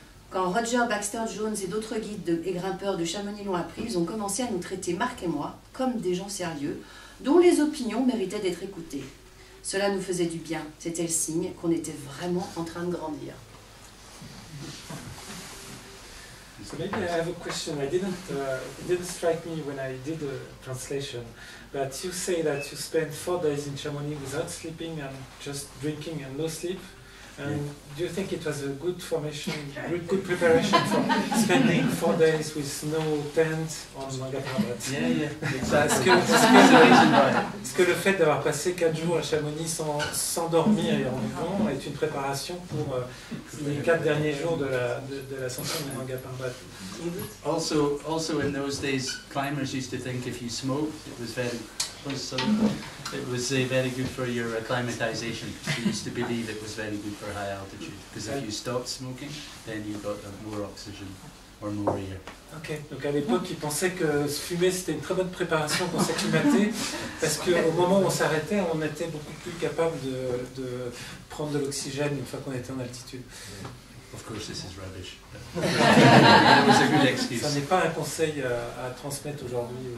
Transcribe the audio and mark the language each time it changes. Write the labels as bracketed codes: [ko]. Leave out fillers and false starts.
[fr] Quand Roger Baxter Jones et d'autres guides et grimpeurs de Chamonix l'ont appris, ils ont commencé à nous traiter, Marc et moi, comme des gens sérieux, dont les opinions méritaient d'être écoutées. Cela nous faisait du bien. C'était le signe qu'on était vraiment en train de grandir. [en] So maybe I have a question. It didn't strike me when I did the translation. But you say that you spent 4 days in Chamonix without sleeping and just drinking and no sleep. And do you think it was a good formation, good preparation for spending 4 days with no tent on Mangapapat? Yeah, exactly. [fr] Est-ce que le fait d'avoir passé 4 jours à Chamonix sans dormir et en vivant est une préparation pour les 4 derniers jours de l'ascension de Mangapapat? [en] Also, in those days, climbers used to think if you smoked, it was very very good for your acclimatization. You used to believe it was very good for high altitude because if you stopped smoking, then you got more oxygen or more air. Okay. [fr] Donc à l'époque, ils pensaient que fumer c'était une très bonne préparation pour s'acclimater parce que au moment où on s'arrêtait, on était beaucoup plus capable de prendre de l'oxygène une fois qu'on était en altitude. [en] Of course, this is rubbish. It was a good excuse. [fr] Ça n'est pas un conseil à transmettre aujourd'hui.